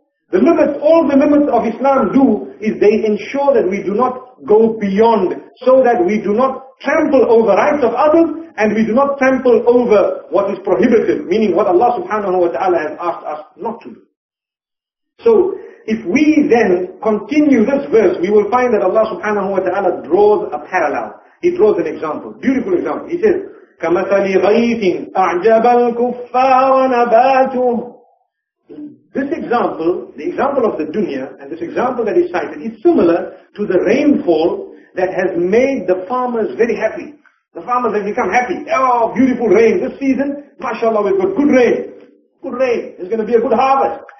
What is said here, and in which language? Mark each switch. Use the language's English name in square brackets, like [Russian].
[English] The limits, all the limits of Islam do is they ensure that we do not go beyond, so that we do not trample over rights of others and we do not trample over what is prohibited, meaning what Allah subhanahu wa ta'ala has asked us not to do. So if we then continue this verse, we will find that Allah subhanahu wa ta'ala draws a parallel. He draws an example, beautiful example. He says, [Arabic] كَمَثَلِ غَيْثٍ أَعْجَبَ الْكُفَّارَ نَبَاتُهُ. [English] This example, the example of the dunya, and this example that is cited, is similar to the rainfall that has made the farmers very happy. The farmers have become happy. Oh, beautiful rain this season. MashaAllah, we've got good rain. Good rain. There's going to be a good harvest.